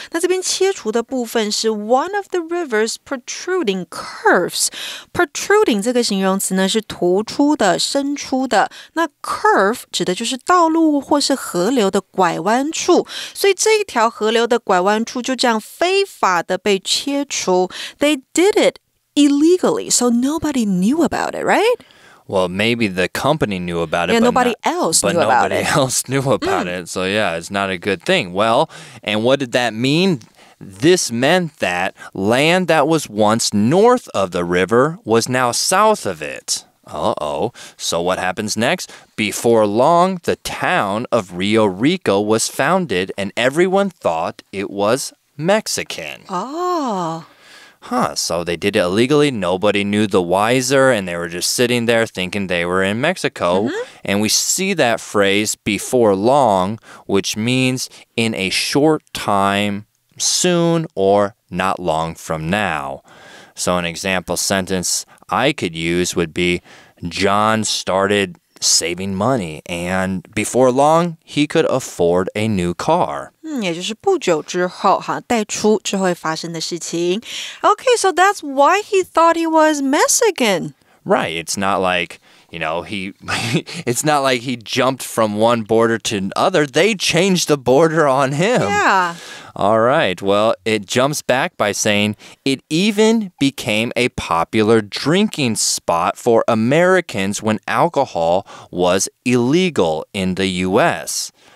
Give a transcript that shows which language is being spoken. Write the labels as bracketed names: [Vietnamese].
[Chinese] 那这边切除的部分是 [English] one of the river's protruding curves. [Chinese] Protruding 这个形容词呢，是突出的、伸出的。那 curve 指的就是道路或是河流的拐弯处，所以这一条河流的拐弯处就这样非法的被切除。 [English] They did it illegally, so nobody knew about it, right? Well, maybe the company knew about it, yeah, but nobody else knew about it. So yeah, it's not a good thing. Well, and what did that mean? This meant that land that was once north of the river was now south of it. Uh-oh. So what happens next? Before long, the town of Rio Rico was founded, and everyone thought it was Mexican. Oh. Huh. So they did it illegally. Nobody knew the wiser, and they were just sitting there thinking they were in Mexico. Mm-hmm. And we see that phrase, before long, which means in a short time, soon, or not long from now. So an example sentence... I could use would be John started saving money and before long he could afford a new car. [Chinese] 也就是不久之后哈，带出之后会发生的事情。 [English] Okay, so that's why he thought he was Mexican. Right, it's not like, you know, it's not like he jumped from one border to another. They changed the border on him. Yeah. All right, well, it jumps back by saying it even became a popular drinking spot for Americans when alcohol was illegal in the U.S.